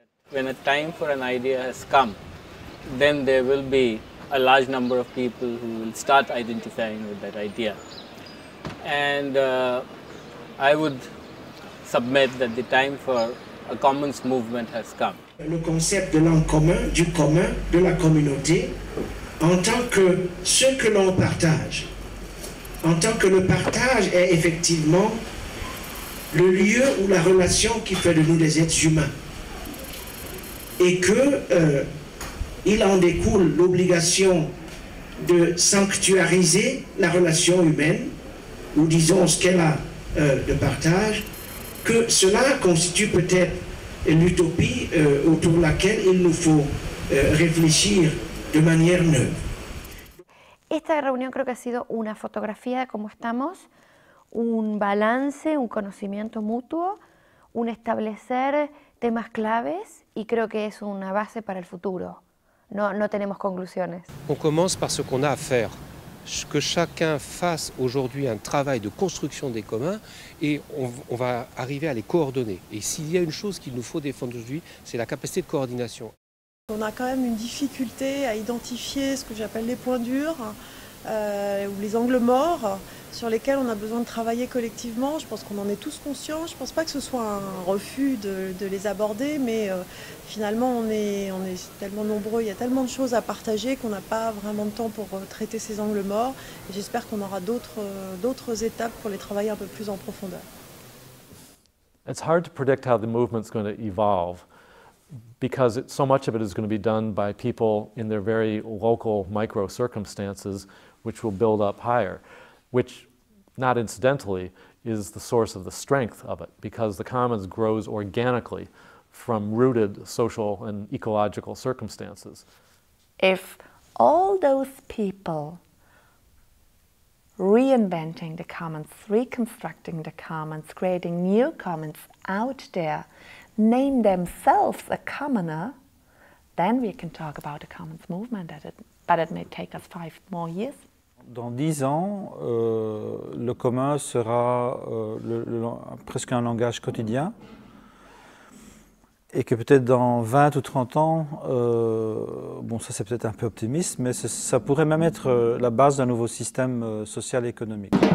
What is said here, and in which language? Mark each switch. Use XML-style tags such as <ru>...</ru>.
<en>when a time for an idea has come, then there will be a large number of people who will start identifying with that idea. And I would submit that the time for a commons movement has come.</en> <fr>Le concept de l'en commun, du commun, de la communauté, en tant que ce que l'on partage, en tant que le partage est effectivement le lieu ou la relation qui fait de nous des êtres humains. Et que il en découle l'obligation de sanctuariser la relation humaine, ou disons ce qu'elle a de partage, que cela constitue peut-être l'utopie autour de laquelle il nous faut réfléchir de manière neuve.</fr> <es>Esta reunión creo que ha sido una fotografía de cómo estamos, un balance, un conocimiento mutuo, un establecer temas claves, y creo que es una base para el futuro. No tenemos conclusiones.</es> <fr>On commence par ce qu'on a à faire. Que chacun fasse aujourd'hui un travail de construction des communs et on va arriver à les coordonner. Et s'il y a une chose qu'il nous faut défendre aujourd'hui, c'est la capacité de coordination. On a quand même une difficulté à identifier ce que j'appelle les points durs ou les angles morts sur lesquels on a besoin de travailler collectivement. Je pense qu'on en est tous conscients. Je ne pense pas que ce soit un refus de les aborder, mais finalement, on est tellement nombreux, il y a tellement de choses à partager qu'on n'a pas vraiment de temps pour traiter ces angles morts. J'espère qu'on aura d'autres étapes pour les travailler un peu plus en profondeur.</fr> <en>It's hard to predict how the movement's going to evolve because so much of it is going to be done by people in their very local micro circumstances, which will build up higher, which, not incidentally, is the source of the strength of it, because the commons grows organically from rooted social and ecological circumstances. If all those people reinventing the commons, reconstructing the commons, creating new commons out there, name themselves a commoner, then we can talk about a commons movement, but it may take us 5 more years.</en> <fr>Dans 10 ans, le commun sera presque un langage quotidien et que peut-être dans 20 ou 30 ans, bon ça c'est peut-être un peu optimiste, mais ça pourrait même être la base d'un nouveau système social et économique.</fr>